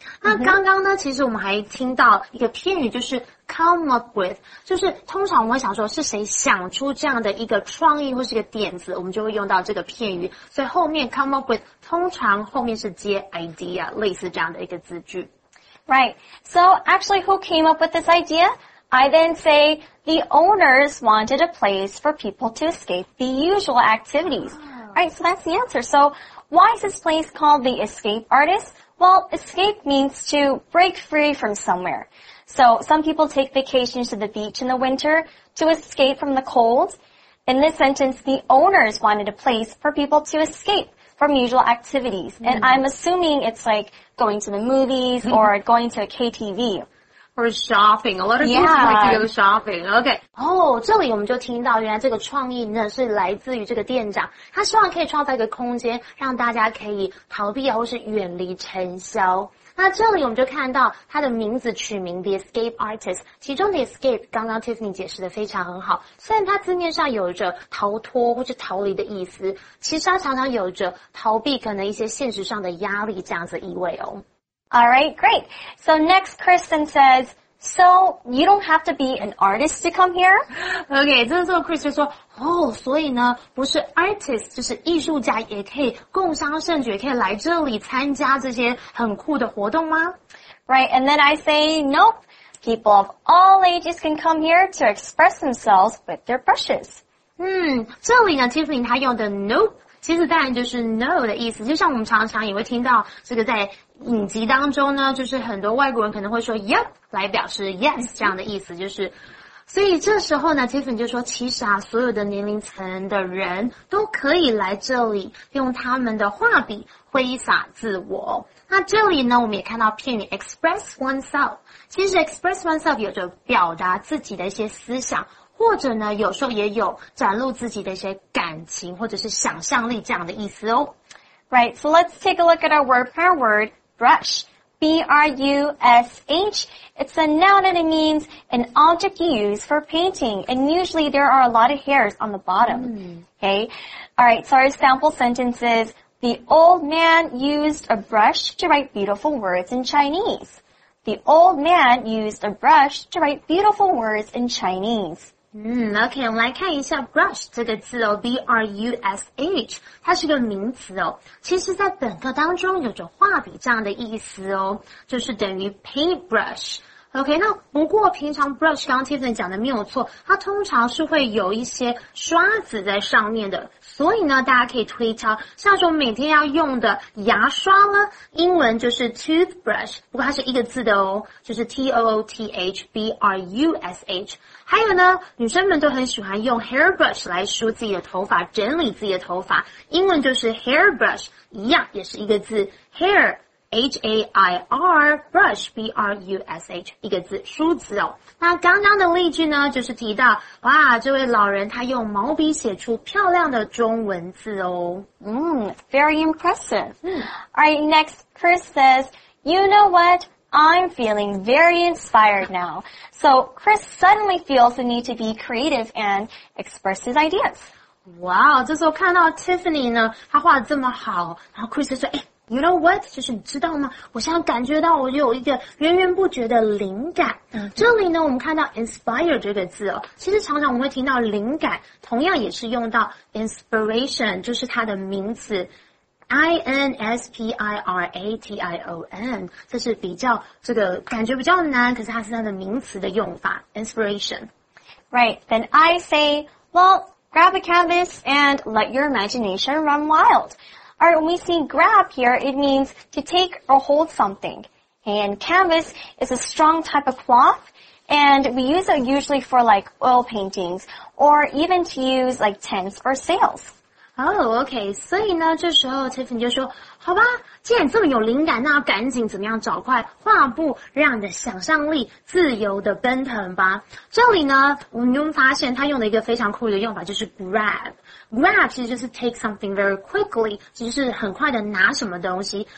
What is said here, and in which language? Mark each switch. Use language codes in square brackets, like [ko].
[zh] 那刚刚呢其实我们还听到一个片语，就是 come up with， 就是通常我们想说是谁想出这样的一个创意或是一个点子，我们就会用到这个片语，所以后面 come up with 通常后面是接 idea， 类似这样的一个字句。 [en] Right, so actually who came up with this ideaI then say, the owners wanted a place for people to escape the usual activities. Right, so that's the answer. So why is this place called the Escape Artist? Well, escape means to break free from somewhere. So some people take vacations to the beach in the winter to escape from the cold. In this sentence, the owners wanted a place for people to escape from usual activities. Mm-hmm. And I'm assuming it's like going to the movies or going to a KTV. For shopping, a lot of people like to go shopping. Okay. [zh] Oh, 这里我们就听到，原来这个创意呢是来自于这个店长，他希望可以创造一个空间，让大家可以逃避或是远离尘嚣。那这里我们就看到他的名字取名 The Escape Artist， 其中的 Escape 刚刚 Tiffany 解释的非常很好，虽然他字面上有着逃脱或是逃离的意思，其实他常常有着逃避可能一些现实上的压力这样子意味哦。 [en] Alright, great. So next, Kristen says, so you don't have to be an artist to come here? [zh] Okay, 这时候 Kristen 说，哦，所以呢，不是 artist, 就是艺术家也可以共襄盛举，可以来这里参加这些很酷的活动吗？ [en] Right, and then I say, nope, people of all ages can come here to express themselves with their brushes. [zh] 这里呢 ,Tiffany 他用的 nope,其实当然就是 no 的意思，就像我们常常也会听到这个在影集当中呢，就是很多外国人可能会说 yep 来表示 yes 这样的意思，就是所以这时候呢 Tiffany 就说，其实啊所有的年龄层的人都可以来这里用他们的画笔挥洒自我。那这里呢我们也看到片语 express oneself， 其实 express oneself 有着表达自己的一些思想，或者呢有时候也有展露自己的一些感情或者是想象力这样的意思哦。 [en] Right, so let's take a look at our word pair word, brush. B-R-U-S-H. It's a noun and it means an object you use for painting. And usually there are a lot of hairs on the bottom. Okay. Alright, so our sample sentence is, the old man used a brush to write beautiful words in Chinese. The old man used a brush to write beautiful words in Chinese. [zh] OK, 我们来看一下 brush 这个字哦， B-R-U-S-H， 它是个名词哦，其实在本课当中有着画笔这样的意思哦，就是等于 paintbrush。 OK, 那不过平常 brush 刚刚 Tiffany 讲的没有错，它通常是会有一些刷子在上面的，所以呢大家可以推敲，像是我们每天要用的牙刷呢，英文就是 toothbrush， 不过它是一个字的哦，就是 T-O-O-T-H-B-R-U-S-H。还有呢，女生们都很喜欢用 hairbrush 来梳自己的头发，整理自己的头发，英文就是 hairbrush， 一样也是一个字 hair H-A-I-R brush B-R-U-S-H 一个字梳子哦。那刚刚的例句呢，就是提到，哇，这位老人他用毛笔写出漂亮的中文字哦。 [en] Very impressive. Alright, next Chris says, you know what? I'm feeling very inspired now. So Chris suddenly feels the need to be creative and express his ideas. [zh] Wow, 这时候看到 Tiffany 呢，她画得这么好，然后 Chris 就说， [en] You know what? [zh] 就是你知道吗？我现在感觉到我有一个源源不绝的灵感。这里呢，我们看到 inspire 这个字哦，其实常常我们会听到灵感，同样也是用到 inspiration， 就是它的名词。 I-N-S-P-I-R-A-T-I-O-N， 这是比较这个感觉比较难，可是它是它的名词的用法 inspiration。 [en] Right, then I say, well, grab a canvas and let your imagination run wild. Alright, when we see grab here, it means to take or hold something. And canvas is a strong type of cloth, and we use it usually for like oil paintings or even to use like tents or sails. Oh, okay, [zh] 所以呢这时候 Tiffany 就说，好吧，既然这么有灵感，那要赶紧怎么样找块画布，让你的想象力自由的奔腾吧。这里呢，我们发现他用了一个非常酷的用法，就是 grab。 grab 其实就是 [en] take something very quickly， [zh] 其实是很快的拿什么东西。